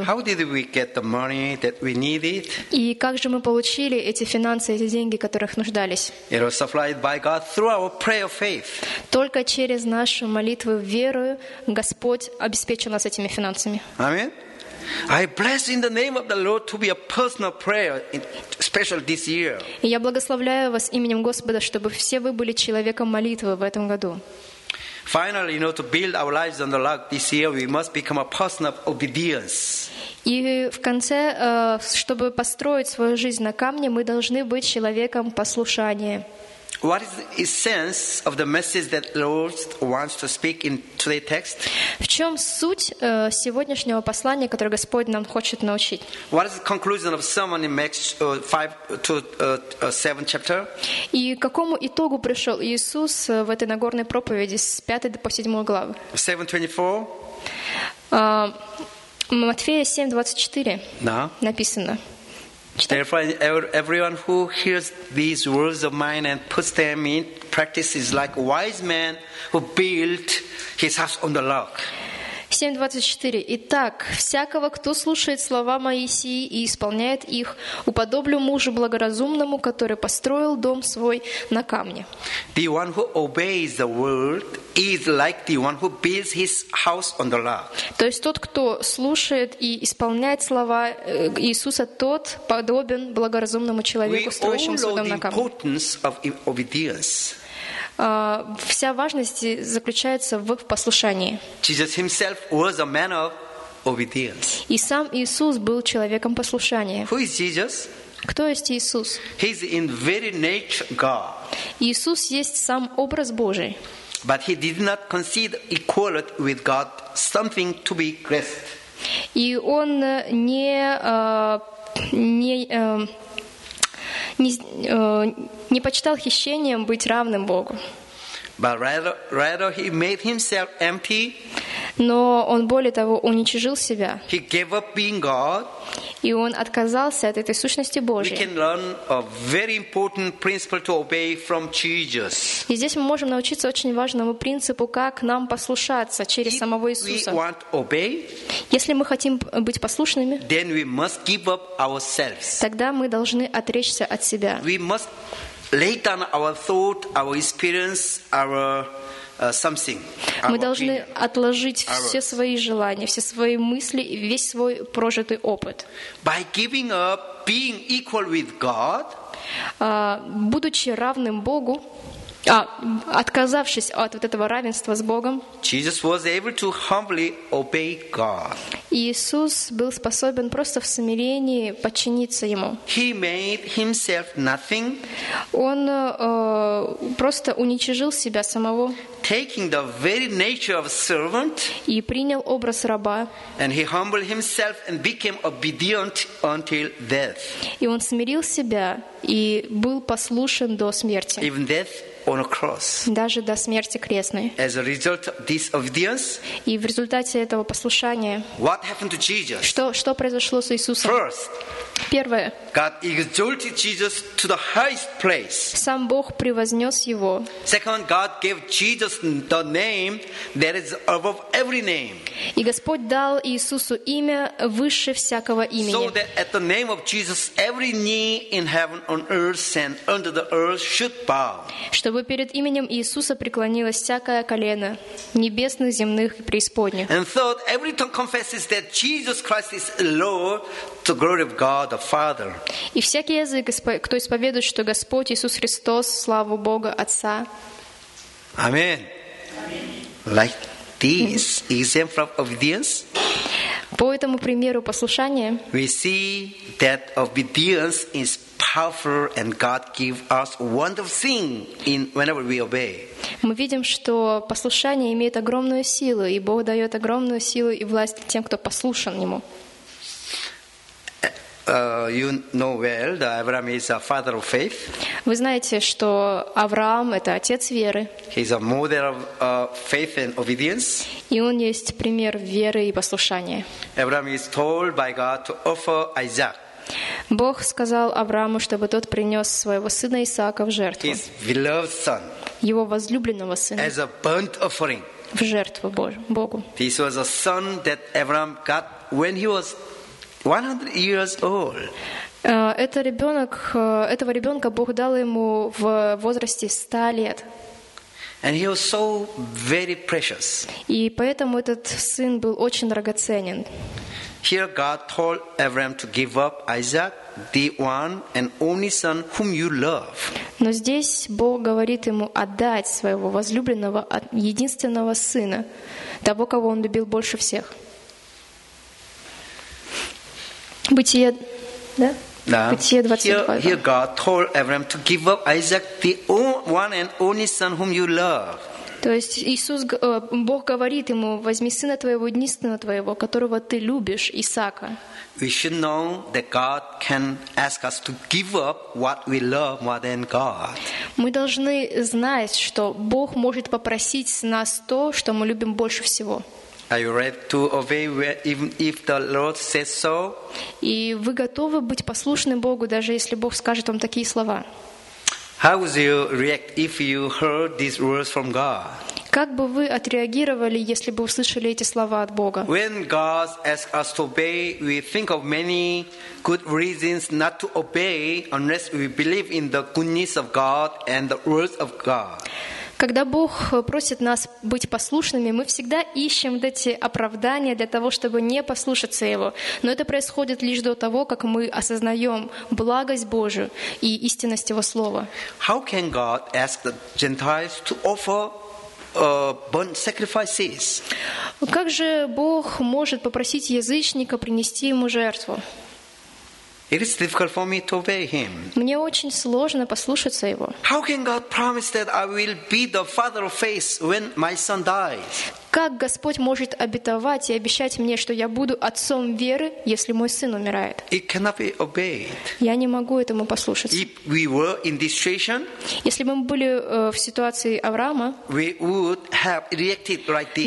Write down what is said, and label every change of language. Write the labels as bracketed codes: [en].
[en] How did we get the money that we needed? [ru] И как же мы получили эти финансы, эти деньги, которых нуждались? [en] It was supplied by God through our prayer of faith. [ru] Только через нашу молитву веры Господь обеспечил нас этими финансами. [en] Amen. I bless in the name of the Lord to be a personal prayer, especially this year. [ru] Я благословляю вас именем Господа, чтобы все вы были человеком молитвы в этом году. [en] Finally, you know, to build our lives on the rock this year, we must become a person of obedience. [ru] И в конце, чтобы построить свою жизнь на камне, мы должны быть человеком послушания. [en] What is the essence of the message that Lord wants to speak in today's text? [ru] В чем суть сегодняшнего послания, которое Господь нам хочет научить? [en] What is the conclusion of sermon in Acts 5-7 chapter? [ru] И к какому итогу пришел Иисус в этой нагорной проповеди с 5 по 7 главы? [en] 7:24. [ru] Матфея 7:24 написано. [en] Therefore, everyone who hears these words of mine and puts them in practice is like a wise man who built his house on the rock. 7:24. [ru] Итак, всякого, кто слушает слова мои сии и исполняет их, уподоблю мужу благоразумному, который построил дом свой на камне. [en] The one who obeys the word is like the one who builds his house on the rock. [ru] То есть тот, кто слушает и исполняет слова Иисуса, тот подобен благоразумному человеку, строящему свой дом на камне. [en] We all know the importance of obedience. [ru] Вся важность заключается в послушании. [en] Jesus himself was a man of obedience. [ru] И сам Иисус был человеком послушания. [en] Who is Jesus? [ru] Кто есть Иисус? [en] He is in very nature God. [ru] Иисус есть сам образ Божий. [en] But he did not consider equality with God something to be grasped. [ru] И он не почитал хищением быть равным Богу. [en] But rather he made himself empty. [ru] Но он более того уничижил себя. [en] He gave up being God. [ru] И он отказался от этой сущности Божьей. [en] We can learn a very important principle to obey from Jesus. [ru] И здесь мы можем научиться очень важному принципу, как нам послушаться через самого Иисуса. [en] We want obey. [ru] Если мы хотим быть послушными, [en] then we must give up ourselves. [ru] Тогда мы должны отречься от себя. [en] We must lay down our thought, our experience, our something. [ru] Мы должны отложить все свои желания, все свои мысли, весь свой прожитый опыт. [en] By giving up being equal with God, [ru] будучи равным Богу, отказавшись от вот этого равенства с Богом, [en] Jesus was able to humbly obey God. [ru] Иисус был способен просто в смирении подчиниться Ему. [en] He made himself nothing. [ru] Он просто уничижил себя самого. [en] Taking the very nature of a servant. [ru] И принял образ раба. [en] And he humbled himself and became obedient until death. [ru] И он смирил себя и был послушен до смерти. [en] Even death. On a cross. [ru] Даже до смерти крестной. [en] As a result of this obedience. [ru] И в результате этого послушания. [en] What happened to Jesus? [ru] Что произошло с Иисусом? [en] First. [ru] Первое. [en] God exalted Jesus to the highest place. [ru] Сам Бог превознес его. [en] Second, God gave Jesus the name that is above every name. [ru] И Господь дал Иисусу имя выше всякого имени. [en] So that at the name of Jesus, every knee in heaven, on earth, and under the earth should bow. [ru] Чтобы перед именем Иисуса преклонилось всякое колено, небесных, земных и преисподних. [en] And third, every tongue confesses that Jesus Christ is Lord to the glory of God the Father. [ru] И всякий язык, кто исповедует, что Господь Иисус Христос, славу Бога Отца. [en] Amen. Like this example of obedience. [ru] По этому примеру послушания. [en] We see that obedience is powerful, and God give us wonderful thing in whenever we obey. [ru] Мы видим, что послушание имеет огромную силу, и Бог дает огромную силу и власть тем, кто послушен ему. [en] You know well that Abraham is a father of faith. [ru] Вы знаете, что Авраам это отец веры. [en] He is a model of faith and obedience. [ru] И он есть пример веры и послушания. [en] Abraham is told by God to offer Isaac. [ru] Бог сказал Аврааму, чтобы тот принес своего сына Исаака в жертву. Его возлюбленного сына. В жертву Богу. [en] This was a son that Abraham got when he was 100 years old. [ru] Этого ребенка Бог дал ему в возрасте 100 лет. [en] And he was so very precious. [ru] И поэтому этот сын был очень драгоценен. [en] Here God told Abraham to give up Isaac, the one and only son whom you love. [ru] Но здесь Бог говорит ему отдать своего возлюбленного, единственного сына, того, кого он любил больше всех. Бытие, да? Да. [en] Here God told Abraham to give up Isaac, the one and only son whom you love. [ru] То есть Иисус, Бог говорит ему, возьми сына твоего, единственного твоего, которого ты любишь, Исаака. [en] We should know that God can ask us to give up what we love more than God. [ru] Мы должны знать, что Бог может попросить с нас то, что мы любим больше всего. [en] Are you ready to obey even if the Lord says so? [ru] И вы готовы быть послушны Богу, даже если Бог скажет вам такие слова? [en] How would you react if you heard these words from God? [ru] Как бы вы отреагировали, если бы услышали эти слова от Бога? [en] When God asks us to obey, we think of many good reasons not to obey unless we believe in the goodness of God and the words of God. [ru] Когда Бог просит нас быть послушными, мы всегда ищем вот эти оправдания для того, чтобы не послушаться Его. Но это происходит лишь до того, как мы осознаем благость Божию и истинность Его Слова. [en] How can God ask the Gentiles to offer burnt sacrifices? [ru] Как же Бог может попросить язычника принести Ему жертву? [en] It is difficult for me to obey him. [ru] Мне очень сложно послушаться его. [en] How can God promise that I will be the father of faith when my son dies? [ru] Как Господь может обетовать и обещать мне, что я буду отцом веры, если мой сын умирает? [en] It cannot be obeyed. [ru] Я не могу этому послушаться. [en] If we were in this situation, [ru] если бы мы были в ситуации Авраама, [en] we would have reacted like this.